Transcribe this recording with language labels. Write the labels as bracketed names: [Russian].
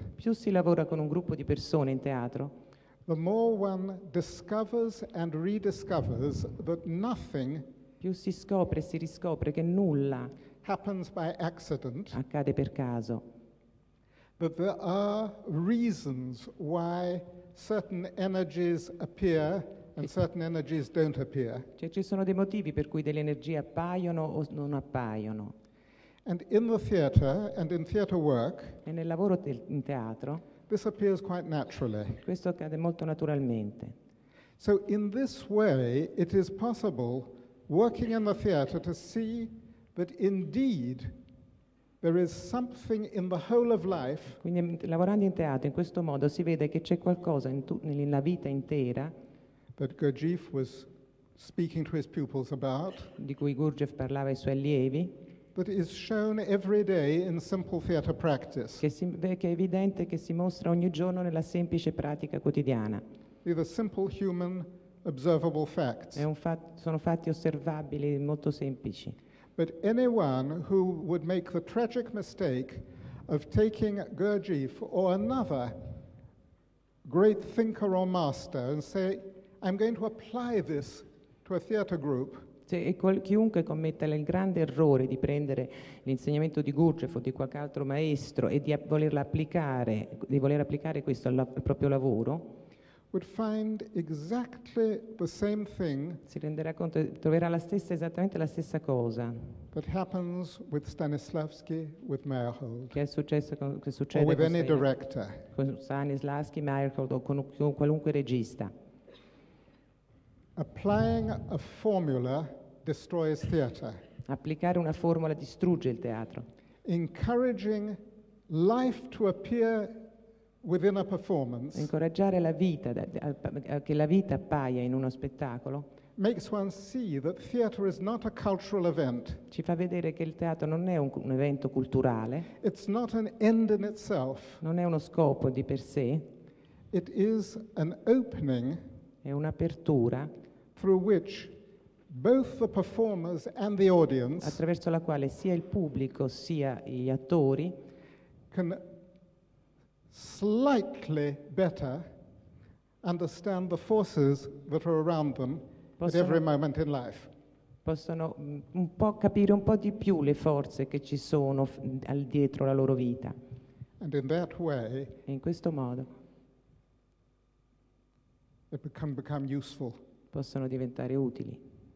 [Italian] più si lavora con un gruppo di persone in teatro, [English] the more one discovers and rediscovers that nothing, [Italian] più si scopre e si riscopre che nulla [English] happens by accident, [Italian] accade per caso, [English] but there are reasons why certain energies appear and certain energies don't appear. [Italian] Cioè ci sono dei motivi per cui delle energie appaiono o non appaiono. [English] And in the theater and in theater work, [Italian] e nel lavoro in teatro, [English] this appears quite naturally. [Italian] Questo accade molto naturalmente. [English] So in this way it is possible working in the theater to see that indeed there is something in the whole of life. [Italian] Quindi lavorando in teatro in questo modo si vede che c'è qualcosa nella vita intera [English] that Gurdjieff was speaking to his pupils about, [Italian] di cui Gurdjieff parlava ai suoi allievi, [English] that is shown every day in simple theater practice. [Italian] Che è evidente che si mostra ogni giorno nella semplice pratica quotidiana. [English] The simple human observable facts. [Italian] Sono fatti osservabili molto semplici. [English] But anyone who would make the tragic mistake of taking Gurdjieff or another great thinker or master and say, I'm going to apply this to a theater group. [Italian] Chiunque commette il grande errore di prendere l'insegnamento di Gurdjieff o di qualche altro maestro e di voler applicare questo al proprio lavoro, [English] would find exactly the same thing. [Italian] Si renderà conto, troverà esattamente la stessa cosa. [English] That happens with Stanislavski, with Meyerhold. [Italian] Che succede [English] or with any director. [Italian] Con Stanislavski, Meyerhold o con qualunque regista. [English] Applying a formula destroys theater. [Italian] Applicare una formula distrugge il teatro. [English] Encouraging life to appear within a performance. [Italian] Incoraggiare la vita, che la vita appaia in uno spettacolo. [English] makes one see that theater is not a cultural event. [Italian] Ci fa vedere che il teatro non è un evento culturale. [English] It's not an end in itself. [Italian] Non è uno scopo di per sé. [English] It is an opening. [Italian] È un'apertura [English] through which both the performers and the audience, [Italian] attraverso la quale sia il pubblico sia gli attori, [English] can slightly better understand the forces that are around them at every moment in life. [Italian] Possono un po' capire un po' di più le forze che ci sono al dietro la loro vita. [English] And in that way, [Italian] in questo modo, [English] it can become useful. [Italian] Possono diventare utili.